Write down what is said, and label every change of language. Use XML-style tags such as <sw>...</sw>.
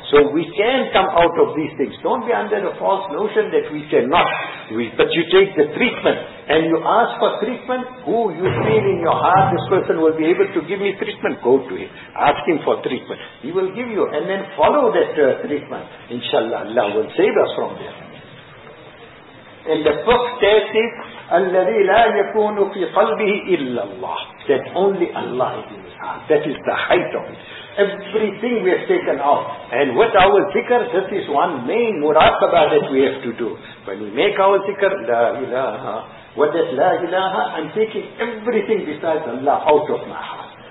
<en>So we can come out of these things. Don't be under the false notion that we cannot. But you take the treatment and you ask for treatment, who you feel in your heart, this person will be able to give me treatment, go to him. Ask him for treatment. He will give you and then follow that treatment. Inshallah, Allah will save us from there. And the book says it,</en> <ar>الَّذِي لَا يَكُونُ فِي قَلْبِهِ إِلَّا اللَّهِ.</ar> <en>That only Allah is in his heart. That is the height of it. Everything we have taken out. And with our zikr, this is one main muraqabah that we have to do. When we make our zikr, La ilaha. What is La ilaha? I'm taking everything besides Allah out of my heart.</en>